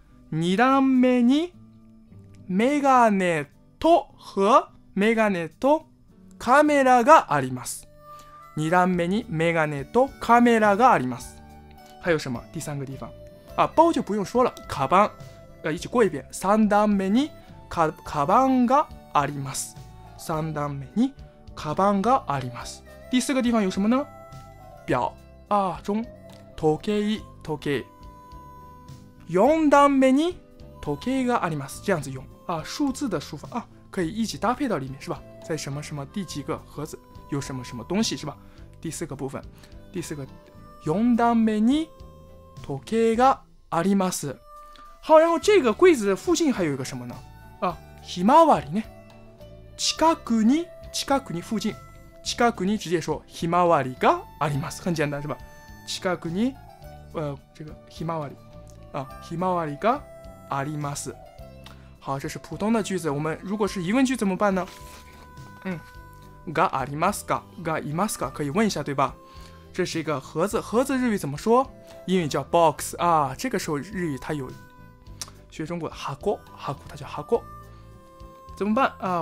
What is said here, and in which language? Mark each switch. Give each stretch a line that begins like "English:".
Japanese: 二段目にメガネと和メガネとカメラがあります。二段目にメガネとカメラがあります。
Chinese: 还有什么？第三个地方啊，包就不用说了。カバン，一起过一遍。
Japanese: 三段目にカバンがあります。三段目にカバンがあります。
Chinese: 第四个地方有什么呢？表啊，钟。
Japanese: 時計、時計。四段目に時計があります。
Chinese: 这样子用啊，数字的数法啊，可以一起搭配到里面，是吧？在什么什么第几个盒子有什么什么东西，是吧？第四个部分，第四个
Japanese: 四段目に時計があります。
Chinese: 好，然后这个柜子附近还有一个什么呢？啊，ひまわりね。近くに、近くに附近。
Japanese: 近くに直接说ひまわりがあります。
Chinese: 很简单，是吧？
Japanese: 近くに、这个ひまわり。啊，ひまわりがあります。
Chinese: 好，这是普通的句子。我们如果是疑问句怎么办呢？嗯，
Japanese: がありますか？がいますか？
Chinese: 可以问一下，对吧？这是一个盒子，盒子日语怎么说？英语叫 box 啊。这个时候日语它有学中国的箱，箱它叫箱。怎么办啊？